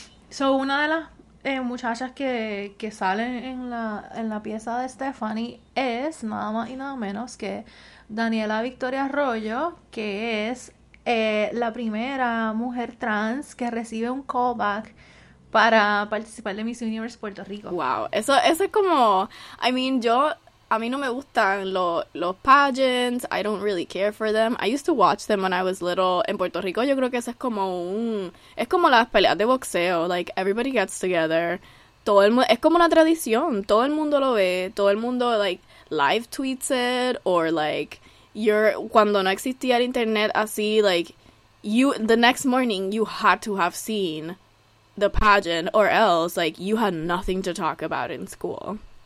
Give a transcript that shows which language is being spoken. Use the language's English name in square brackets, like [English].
[Spanish] So, una de las muchachas que salen en la pieza de Stephanie es nada más y nada menos que Daniela Victoria Arroyo, que es la primera mujer trans que recibe un callback para participar de Miss Universe Puerto Rico. Wow, eso es como, [English] I mean, [Spanish] a mí no me gustan los pageants, [English] I don't really care for them. I used to watch them when I was little. [Spanish] En Puerto Rico yo creo que eso es como es como las peleas de boxeo, [English] like everybody gets together. [Spanish] Es como una tradición, todo el mundo [English] lo ve, todo el mundo like live tweets it, or like [Spanish] cuando no existía el internet así, [English] like the next morning you had to have seen the pageant or else like you had nothing to talk about in school.